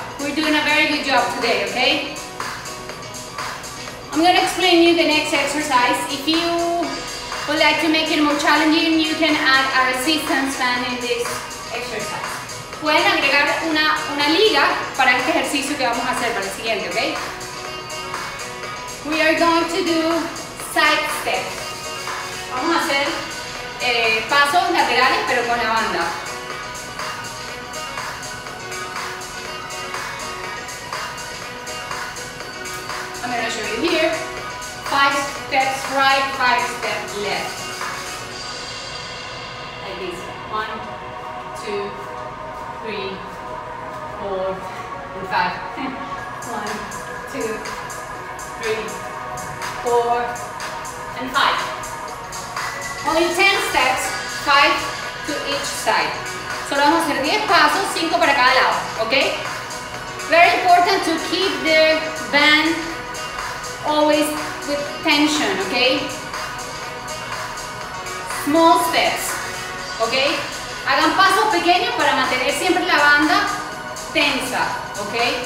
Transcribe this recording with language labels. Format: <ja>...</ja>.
<en>We're doing a very good job today, okay? I'm gonna explain you the next exercise. If you would like to make it more challenging, you can add a resistance band in this exercise.</en> <es>Pueden agregar una liga para este ejercicio que vamos a hacer para el siguiente, okay?</es> <en>We are going to do side steps.</en> <es>Vamos a hacer pasos laterales, pero con la banda.</es> <en>I'm going to show you here. 5 steps right, 5 steps left. Like this. 1, 2, 3, 4, and 5. 1, 2, 3, 4, and 5. Only 10 steps, 5 to each side.</en> <es>Solo vamos a hacer 10 pasos, 5 para cada lado, ok?</es> <en>Very important to keep the band always with tension, ok? Small steps, ok?</en> <es>Hagan pasos pequeños para mantener siempre la banda tensa, ok?</es>